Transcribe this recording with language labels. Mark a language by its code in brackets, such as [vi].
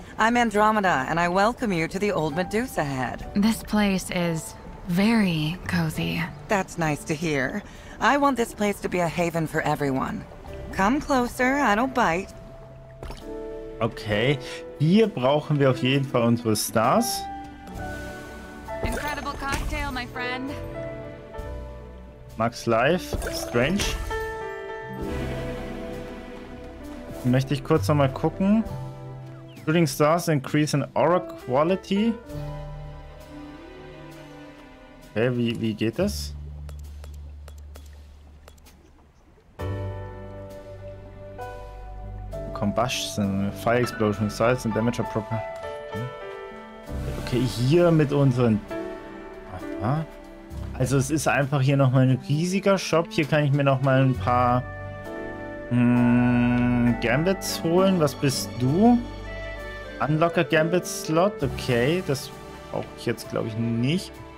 [en] I'm Andromeda, and I welcome you to the old Medusa head. This place is very cozy. That's nice to hear. I want this place to be a haven for everyone. Come closer, I don't bite. [de] Okay, hier brauchen wir auf jeden Fall unsere Stars. [en] Incredible cocktail, my friend. Max Life, Strange. [de] Möchte ich kurz nochmal gucken. [en] Shooting Stars increase in Aura Quality. [de] Okay, wie geht das? [en] Combustion, Fire Explosion, Size and Damage are proper. [de] Okay, hier mit unseren... Aha. Also es ist einfach hier nochmal ein riesiger Shop. Hier kann ich mir nochmal ein paar Gambits holen. Was bist du? Unlocker Gambit Slot, okay, das brauche ich jetzt glaube ich nicht.